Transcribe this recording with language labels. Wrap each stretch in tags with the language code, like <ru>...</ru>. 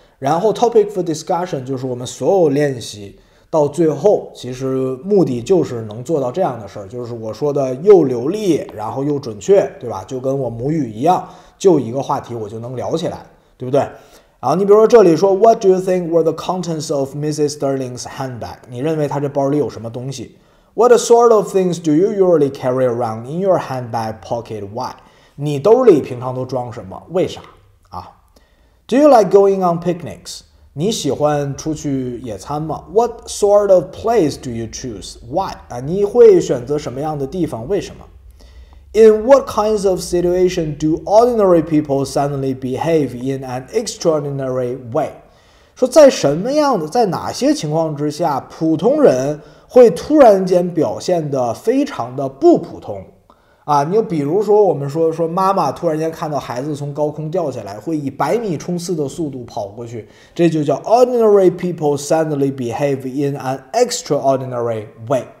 <zh>然后</zh> <en>topic for discussion</en> <zh>就是我们所有练习到最后其实目的就是能做到这样的事儿，就是我说的又流利然后又准确，对吧？就跟我母语一样，就一个话题我就能聊起来，对不对？然后你比如说这里说</zh> <en>What do you think were the contents of Mrs. Sterling's handbag?</en> <zh>你认为她这包里有什么东西？</zh> <en>What sort of things do you usually carry around in your handbag pocket? Why?</en> <zh>你兜里平常都装什么？为啥？</zh> <en>Do you like going on picnics?</en> <zh>你喜欢出去野餐吗？</zh> <en>What sort of place do you choose? Why?</en> <zh>你会选择什么样的地方？为什么？</zh> <en>In what kinds of situation do ordinary people suddenly behave in an extraordinary way?</en> <zh>说在什么样的，在哪些情况之下，普通人会突然间表现得非常的不普通。啊，你比如说我们说妈妈突然间看到孩子从高空掉下来，会以百米冲刺的速度跑过去，这就叫</zh> <en>ordinary people suddenly behave in an extraordinary way.</en>